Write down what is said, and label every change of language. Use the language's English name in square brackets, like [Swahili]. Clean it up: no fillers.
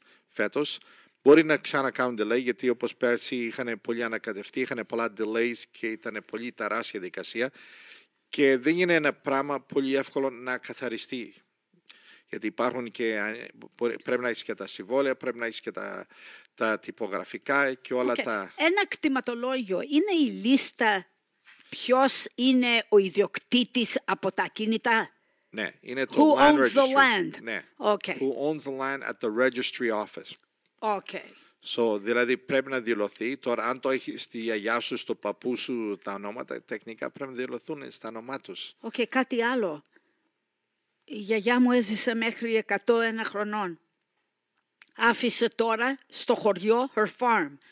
[Greek] Φέτος μπορεί να ξανακάνουν delay, γιατί όπως πέρσι είχαν πολύ ανακατευτεί, είχαν πολλά delays και ήταν πολύ ταράσια δικασία και δεν είναι ένα πράγμα πολύ εύκολο να καθαριστεί, γιατί υπάρχουν και πρέπει να έχει και τα συμβόλαια, πρέπει να έχει και τα τυπογραφικά και όλα okay. Τα... Ένα κτηματολόγιο είναι η λίστα ποιος είναι ο ιδιοκτήτης από τα ακίνητα? Ναι, είναι το [English] Who land owns registry. The land. [Greek] Ναι. [English] Okay. Who owns the land at the registry office. Okay. [Greek] So, δηλαδή πρέπει να δηλωθεί. Τώρα, αν το έχει στη γιαγιά σου, στο παππού σου τα ονόματα, τεχνικά πρέπει να δηλωθούν στα όνομά τους. Okay, κάτι άλλο. Η γιαγιά μου έζησε μέχρι 101 χρονών. Άφησε τώρα στο χωριό [English] her farm.